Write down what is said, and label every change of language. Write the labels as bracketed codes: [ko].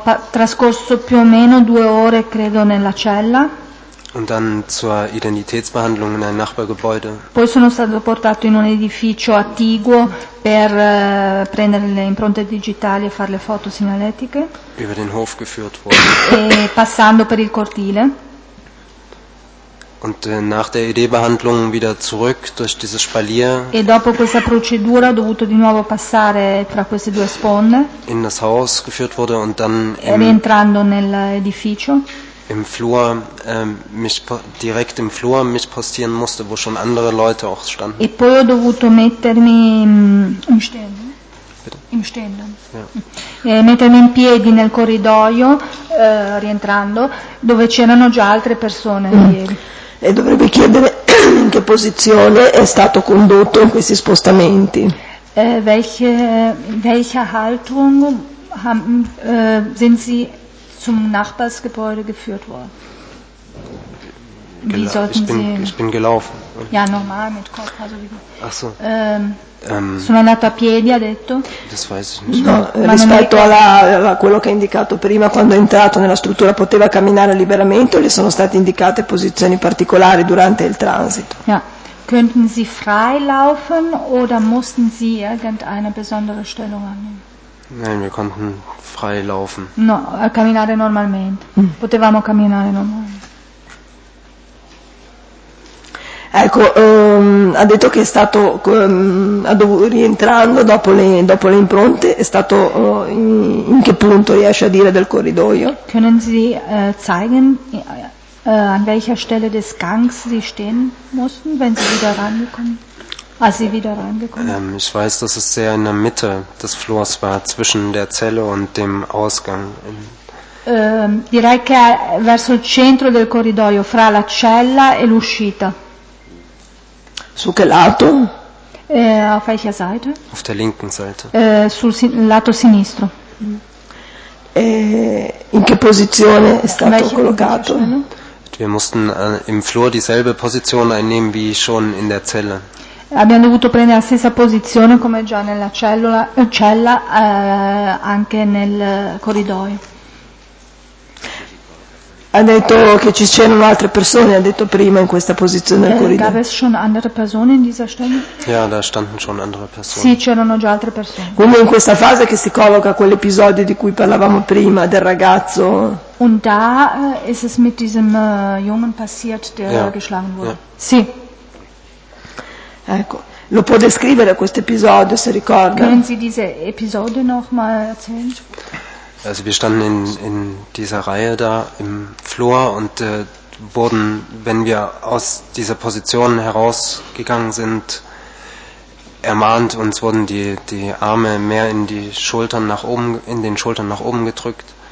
[it] Trascorso più o meno 2 ore, credo, nella cella. [de] Und dann zur Identitätsbehandlung in ein Nachbargebäude. [it] Poi sono stato portato in un edificio attiguo per prendere le impronte digitali e fare le foto segnaletiche. [de] Über den Hof geführt worden. [it] E passando per il cortile. [de] Und nach der ED-Behandlung wieder zurück durch dieses Spalier. [it] E dopo questa procedura ho dovuto di nuovo passare tra queste due sponde. [de] In das Haus geführt wurde und dann [it] rientrando nell'edificio. [de] Im Flur mich direkt im Flur postieren musste, wo schon andere Leute auch standen. [it] E poi ho dovuto mettermi [de] in stehenden. Bitte? Im stehenden. Ja. [it] Mettermi in piedi nel corridoio rientrando, dove c'erano già altre persone ieri. E dovrebbe chiedere in che posizione è stato condotto in questi spostamenti. [de] Welche Haltung sind Sie zum Nachbarsgebäude geführt worden. Wie sollten Sie? Ich bin gelaufen. Ja, normal mit Kopf. Also wie? Ach so. [it] Sono andato a piedi, ha detto. [de] Das weiß ich nicht. [it] No, rispetto alla, a quello che ha indicato prima, quando è entrato nella struttura poteva camminare liberamente, le sono state indicate posizioni particolari durante il transito. [de] Ja. Könnten Sie frei laufen oder mussten Sie irgendeine besondere Stellung annehmen? Nein, wir konnten frei laufen. [it] No, a camminare normalmente. Potevamo camminare normalmente. Ecco, ha detto che è stato rientrando dopo le impronte, è stato in che punto riesce a dire del corridoio? [de] Können Sie zeigen an welcher Stelle des Gangs Sie stehen mussten, wenn Sie wieder rangekommen? Als Sie wieder rangekommen? Ich weiß, dass es sehr in der Mitte des Flurs war, zwischen der Zelle und dem Ausgang. [it] Direi che verso il centro del corridoio, fra la cella e l'uscita. Su che lato? [de] Auf welcher Seite? Auf der linken Seite. [it] Sul lato sinistro. In che posizione è stato welche collocato? [de] Wir mussten im Flur dieselbe Position einnehmen wie schon in der Zelle. [it] Abbiamo dovuto prendere la stessa posizione come già nella cella anche nel corridoio. Ha detto che ci c'erano altre persone, ha detto prima, in questa posizione del corridoio. [de] Gab es schon andere Personen in dieser Stelle? Ja, da standen schon andere Personen. [it] Sì, c'erano già altre persone. Quindi in questa fase che si colloca quell'episodio di cui parlavamo prima, del ragazzo. [de] Und da ist es mit diesem Jungen passiert, der geschlagen wurde. Ja. Sì. [it] Ecco, lo può descrivere questo episodio, se ricorda? [de] Können Sie diese Episode noch mal erzählen? Also wir standen in dieser Reihe da im Flur und wurden, wenn wir aus dieser Position herausgegangen sind, ermahnt, uns wurden die Arme mehr in die Schultern nach oben, in den Schultern nach oben gedrückt.